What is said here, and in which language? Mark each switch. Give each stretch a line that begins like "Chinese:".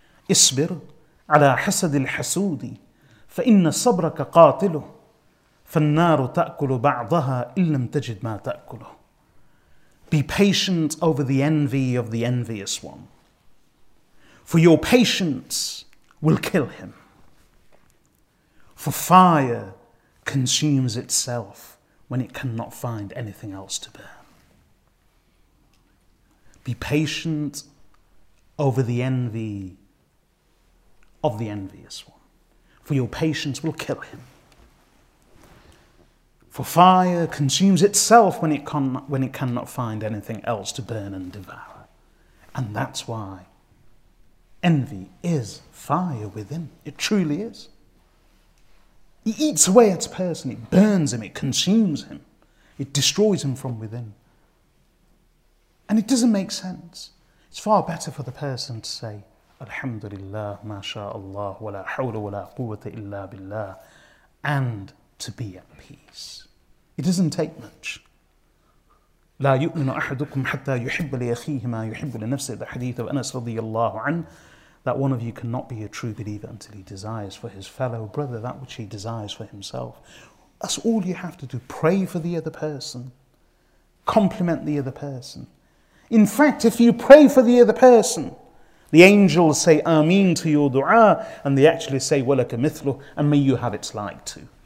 Arabic: اصبر على حسد الحسود فإن صبرك قاتله. فالنار تأكل بعضها إن لم تجد ما تأكله.
English: Be patient over the envy of the envious one. For your patience will kill him. For fire consumes itself when it cannot find anything else to burn. Be patient over the envy of the envious one. For your patience will kill him. For fire consumes itself when it cannot find anything else to burn and devour. And that's why envy is fire within. It truly is. It eats away at a person. It burns him. It consumes him. It destroys him from within. And it doesn't make sense. It's far better for the person to say, Alhamdulillah, mashallah, wala hawla wala quwwata illa billah, and to be at peace. It doesn't take much.
Arabic: لا يؤمن أحدكم حتى يحب لأخيه ما يحب لنفسه.
English: The hadith of Anas
Arabic: رضي الله عنه,
English: that one of you cannot be a true believer until he desires for his fellow brother that which he desires for himself. That's all you have to do. Pray for the other person. Compliment the other person. In fact, if you pray for the other person, the angels say Ameen to your dua, and they actually say Walaka mithlu, and may you have it like to.